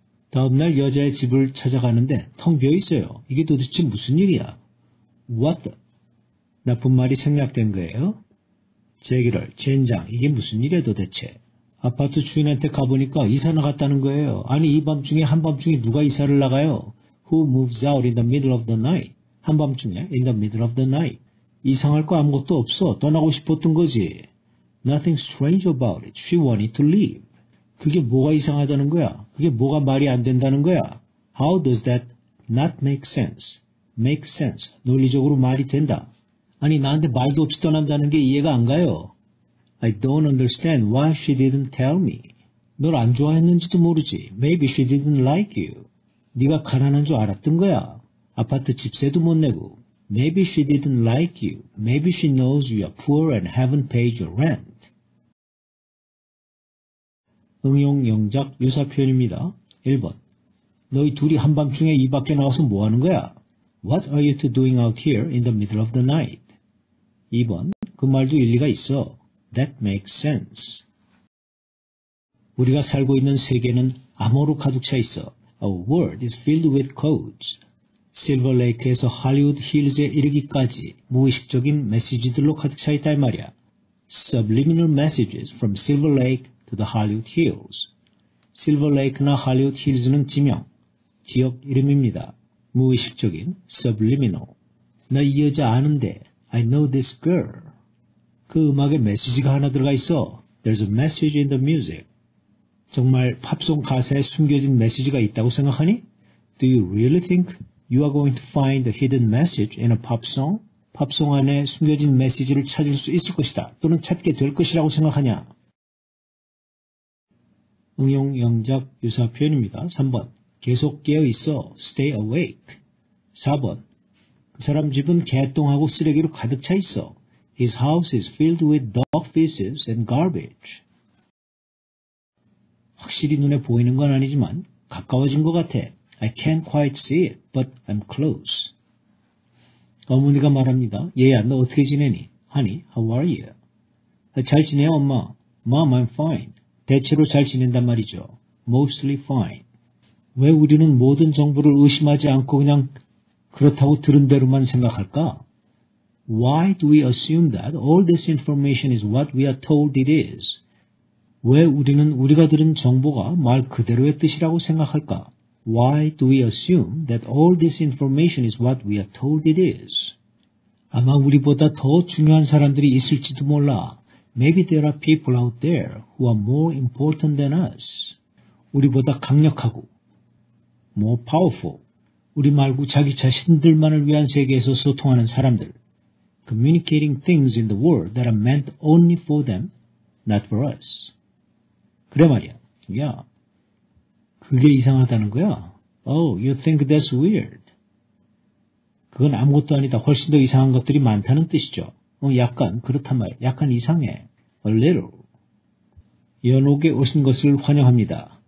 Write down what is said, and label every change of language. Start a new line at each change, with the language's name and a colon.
Korean: 다음 날 여자의 집을 찾아가는데 텅 비어 있어요. 이게 도대체 무슨 일이야?
English: What the?
Korean: 나쁜 말이 생략된 거예요? 제기럴. 젠장. 이게 무슨 일이야 도대체? 아파트 주인한테 가보니까 이사 나갔다는 거예요. 아니 이 밤 중에 한밤 중에 누가 이사를 나가요?
English: Who moves out in the middle of the night?
Korean: 한밤 중에
English: in the middle of the night.
Korean: 이상할 거 아무것도 없어. 떠나고 싶었던 거지.
English: Nothing strange about it. She wanted to leave.
Korean: 그게 뭐가 이상하다는 거야? 그게 뭐가 말이 안 된다는 거야?
English: How does that not make sense? Make sense.
Korean: 논리적으로 말이 된다. 아니 나한테 말도 없이 떠난다는 게 이해가 안 가요.
English: I don't understand why she didn't tell me.
Korean: 널 안 좋아했는지도 모르지.
English: Maybe she didn't like you.
Korean: 네가 가난한 줄 알았던 거야. 아파트 집세도 못 내고.
English: Maybe she didn't like you. Maybe she knows you are poor and haven't paid your rent.
Korean: 응용 영작 유사 표현입니다. 1번. 너희 둘이 한밤중에 이 밖에 나와서 뭐 하는 거야?
English: What are you two doing out here in the middle of the night?
Korean: 2번, 그 말도 일리가 있어.
English: That makes sense.
Korean: 우리가 살고 있는 세계는 암호로 가득 차 있어.
English: A world is filled with codes.
Korean: 실버레이크에서 할리우드 힐즈에 이르기까지 무의식적인 메시지들로 가득 차 있다 이 말이야.
English: Subliminal messages from Silver Lake to the Hollywood Hills.
Korean: 실버레이크나 할리우드 힐즈는 지명, 지역 이름입니다. 무의식적인 subliminal. 나 이 여자 아는데.
English: I know this girl.
Korean: 그 음악에 메시지가 하나 들어가 있어.
English: There's a message in the music.
Korean: 정말 팝송 가사에 숨겨진 메시지가 있다고 생각하니?
English: Do you really think you are going to find a hidden message in a pop song?
Korean: 팝송 안에 숨겨진 메시지를 찾을 수 있을 것이다. 또는 찾게 될 것이라고 생각하냐? 응용 영작 유사 표현입니다. 3번. 계속 깨어 있어.
English: Stay awake.
Korean: 4번. 그 사람 집은 개똥하고 쓰레기로 가득 차 있어.
English: His house is filled with dog feces and garbage.
Korean: 확실히 눈에 보이는 건 아니지만 가까워진 것 같아.
English: I can't quite see it, but I'm close.
Korean: 어머니가 말합니다. 얘야, 너 어떻게 지내니?
English: Honey, how are you?
Korean: 잘 지내요, 엄마.
English: Mom, I'm fine.
Korean: 대체로 잘 지낸단 말이죠.
English: Mostly fine.
Korean: 왜 우리는 모든 정보를 의심하지 않고 그냥 그렇다고 들은 대로만 생각할까?
English: Why do we assume that all this information is what we are told it is?
Korean: 왜 우리는 우리가 들은 정보가 말 그대로의 뜻이라고 생각할까?
English: Why do we assume that all this information is what we are told it is?
Korean: 아마 우리보다 더 중요한 사람들이 있을지도 몰라.
English: Maybe there are people out there who are more important than us.
Korean: 우리보다 강력하고,
English: more powerful.
Korean: 우리 말고 자기 자신들만을 위한 세계에서 소통하는 사람들.
English: Communicating things in the world that are meant only for them, not for us.
Korean: 그래 말이야. 야, 그게 이상하다는 거야.
English: Oh, you think that's weird.
Korean: 그건 아무것도 아니다. 훨씬 더 이상한 것들이 많다는 뜻이죠. 약간 그렇단 말이야. 약간 이상해.
English: A little.
Korean: 연옥에 오신 것을 환영합니다.